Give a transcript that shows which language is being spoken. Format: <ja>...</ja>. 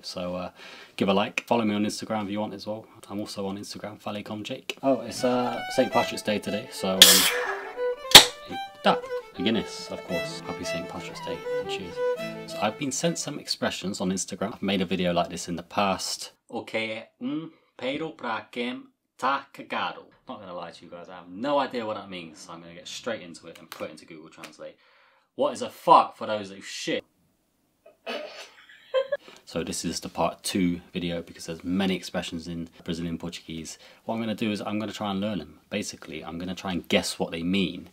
<en>So give a like. Follow me on Instagram if you want as well. I'm also on Instagram, Falecom Jake. Oh, it's St. Patrick's Day today, so... a Guinness, of course. Happy St. Patrick's Day, and cheers. So I've been sent some expressions on Instagram. I've made a video like this in the past.</en> <pt>O que é peido pra quem tá cagado?</pt> <en>Not gonna lie to you guys, I have no idea what that means, so I'm gonna get straight into it and put it into Google Translate. What is a fart for those who shit? So this is the part two video because there's many expressions in Brazilian Portuguese. What I'm going to do is I'm going to try and learn them. Basically, I'm going to try and guess what they mean.</en>